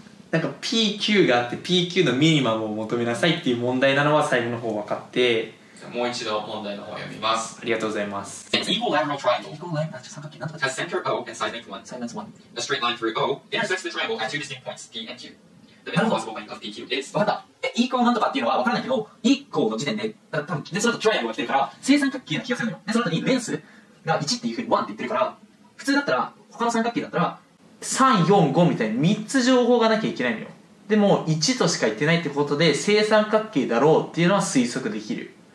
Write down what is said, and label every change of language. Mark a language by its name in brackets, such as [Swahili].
[Japanese] なんか PQ があって PQ のミニマムを求めなさいっていう問題なのは最後の方分かって、もう一度問題の方を読みます。ありがとうございます。 [English] Equilateral triangle has center O and side length 1. A straight line through O intersects the triangle at two distinct points P and Q. The minimum possible length of PQ is [Japanese] 分かった。イコなんとかっていうのは分からないけど、イコの時点で、たぶん、その後トライアングルが来てるから、正三角形な気がするのよ。で、その後にレンスが1っていうふうに1って言ってるから、普通だったら、他の三角形だったら、 3、4、5みたいに3つ情報がなきゃいけないのよ。でも、1としか言ってないってことで、正三角形だろうっていうのは推測できる。